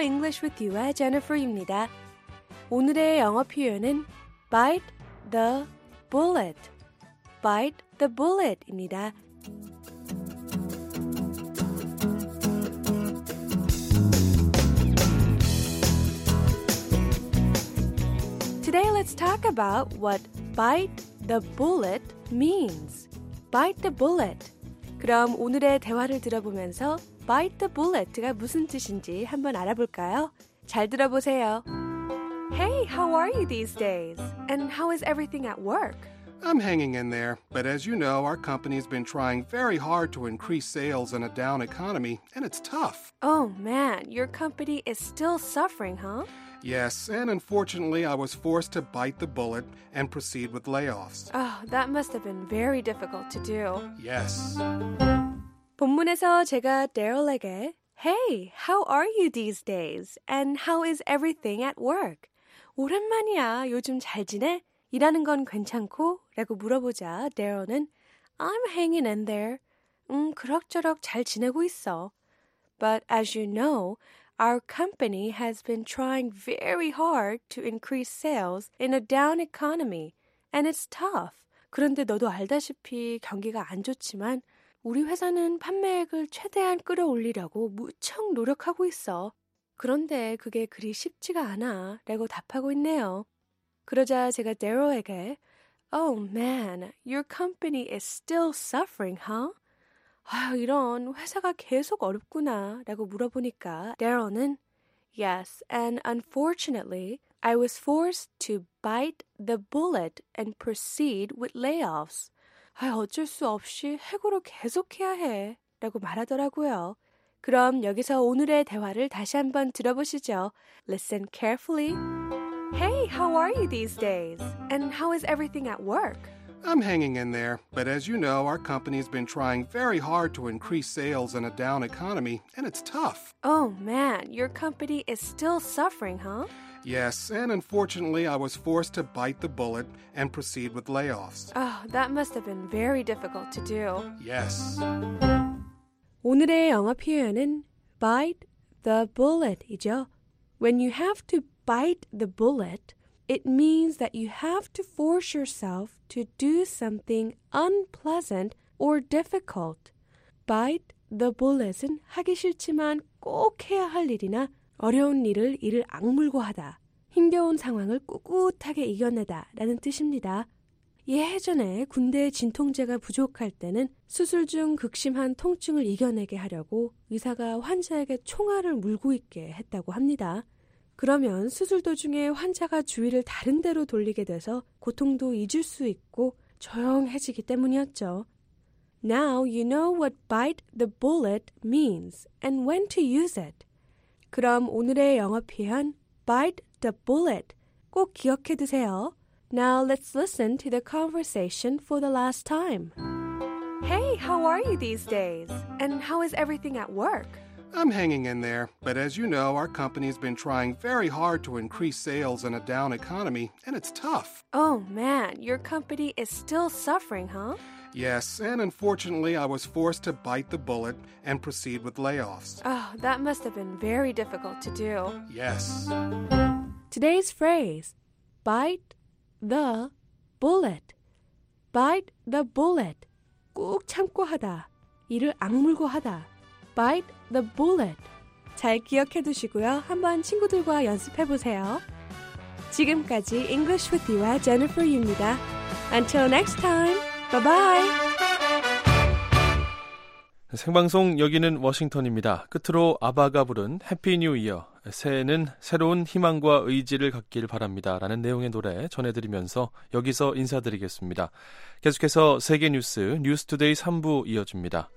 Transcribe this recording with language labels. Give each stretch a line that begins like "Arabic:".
Korean: English with you와 Jennifer입니다. 오늘의 영어 표현은 bite the bullet.
English: bite the bullet입니다. Today let's talk about what bite the bullet means. bite the bullet.
Korean: 그럼 오늘의 대화를 들어보면서 bite the bullet가 무슨 뜻인지 한번 알아볼까요? 잘 들어보세요.
English: Hey, how are you these days? And how is everything at work? I'm hanging in there, but as you know, our company's been trying very hard to increase sales in a down economy, and it's tough. Oh man, your company is still suffering, huh? Yes, and unfortunately, I was forced to bite the bullet and proceed with layoffs. Oh, that must have been very difficult to do. Yes.
Korean: 본문에서 제가 Daryl에게
English: Hey, how are you these days? And how is everything at work?
Korean: 오랜만이야, 요즘 잘 지내? 일하는 건 괜찮고? 라고 물어보자 Daryl은
English: I'm hanging in there.
Korean: 그럭저럭 잘 지내고 있어.
English: But as you know, Our company has been trying very hard to increase sales in a down economy, and it's tough.
Korean: 그런데 너도 알다시피 경기가 안 좋지만 우리 회사는 판매액을 최대한 끌어올리려고 무척 노력하고 있어. 그런데 그게 그리 쉽지가 않아 라고 답하고 있네요. 그러자 제가 Daryl에게
English: Oh man, your company is still suffering, huh?
Korean: 아, 이런 회사가 계속 어렵구나 라고 물어보니까 Daryl은
English: Yes, and unfortunately, I was forced to bite the bullet and proceed with layoffs.
Korean: 어쩔 수 없이 해고를 계속해야 해 라고 말하더라고요. 그럼 여기서 오늘의 대화를 다시 한번 들어보시죠.
English: Listen carefully. Hey, how are you these days? And how is everything at work? I'm hanging in there, but as you know, our company's been trying very hard to increase sales in a down economy, and it's tough. Oh man, your company is still suffering, huh? Yes, and unfortunately, I was forced to bite the bullet and proceed with layoffs. Oh, that must have been very difficult to do. Yes.
Korean: 오늘의 영어 표현은 bite the bullet이죠.
English: When you have to bite the bullet, it means that you have to force yourself to do something unpleasant or difficult.
Korean: Bite the bullet은 하기 싫지만 꼭 해야 할 일이나 어려운 일을 이를 악물고 하다, 힘겨운 상황을 꿋꿋하게 이겨내다 라는 뜻입니다. 예전에 군대에 진통제가 부족할 때는 수술 중 극심한 통증을 이겨내게 하려고 의사가 환자에게 총알을 물고 있게 했다고 합니다. 그러면 수술 도중에 환자가 주위를 다른 데로 돌리게 돼서 고통도 잊을 수 있고 조용해지기 때문이었죠.
English: Now you know what bite the bullet means and when to use it.
Korean: 그럼 오늘의 영어 표현 bite the bullet 꼭 기억해 두세요.
English: Now let's listen to the conversation for the last time. Hey, how are you these days? And how is everything at work? I'm hanging in there, but as you know, our company's been trying very hard to increase sales in a down economy, and it's tough. Oh man, your company is still suffering, huh? Yes, and unfortunately, I was forced to bite the bullet and proceed with layoffs. Oh, that must have been very difficult to do. Yes. Today's phrase, bite the bullet. Bite the bullet.
Korean: 꾹 참고 하다. 이를 악물고 하다.
English: Bite the bullet.
Korean: 잘 기억해 두시고요. 한번 친구들과 연습해 보세요. 지금까지 English with you와 Jennifer입니다.
English: Until next time. Bye-bye.
Korean: 생방송 여기는 워싱턴입니다. 끝으로 아바가 부른 Happy New Year. 새해는 새로운 희망과 의지를 갖길 바랍니다. 라는 내용의 노래 전해드리면서 여기서 인사드리겠습니다. 계속해서 세계 뉴스, 뉴스 투데이 3부 이어집니다.